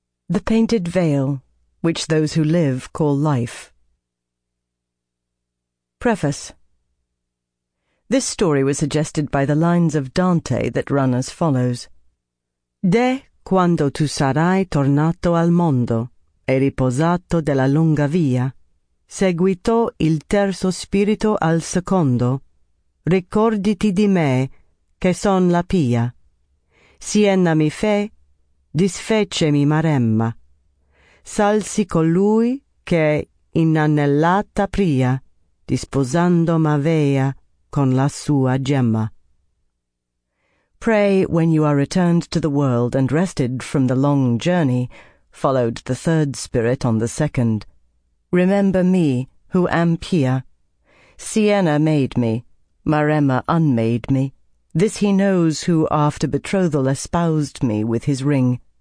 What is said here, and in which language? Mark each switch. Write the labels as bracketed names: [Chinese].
[English] The Painted Veil, which those who live call life. Preface. This story was suggested by the lines of Dante that run as follows. [Italian] De quando tu sarai tornato al mondo e riposato della lunga via, seguito il terzo spirito al secondo, ricorditi di me che son la pia. Sienna mi fe, disfecemi maremma. Salsi colui che inanellata pria, disposando m'avea con la sua gemma. [English] Pray, when you are returned to the world and rested from the long journey, followed the third spirit on the second, remember me, who am pia. Sienna made me, Maremma unmade me. This he knows who, after betrothal, espoused me with his ring.